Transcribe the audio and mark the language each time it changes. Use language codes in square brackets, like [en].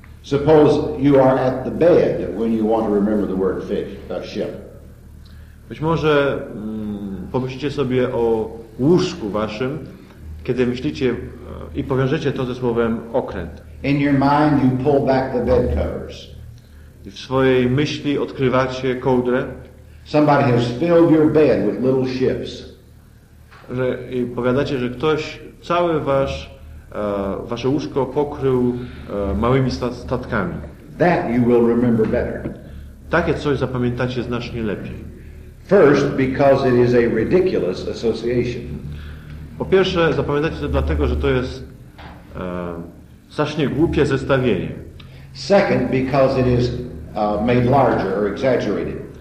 [en] Suppose you are at the bed when you want to remember the word fish, ship. [pl] Być może pomyślicie sobie o łóżku waszym, kiedy myślicie i powiążecie to ze słowem okręt. [en] In your mind you pull back the bed covers. [pl] I w swojej myśli odkrywacie kołdrę. [en] Somebody has filled your bed with little ships. [pl] I powiadacie, że ktoś cały wasz wasze łóżko pokrył małymi statkami. [en] That you will remember better. [pl] Takie coś zapamiętacie znacznie lepiej. [en] First, because it is a ridiculous association. [pl] Po pierwsze, zapamiętacie to dlatego, że to jest strasznie głupie zestawienie. [en] Second, because it is made larger or exaggerated.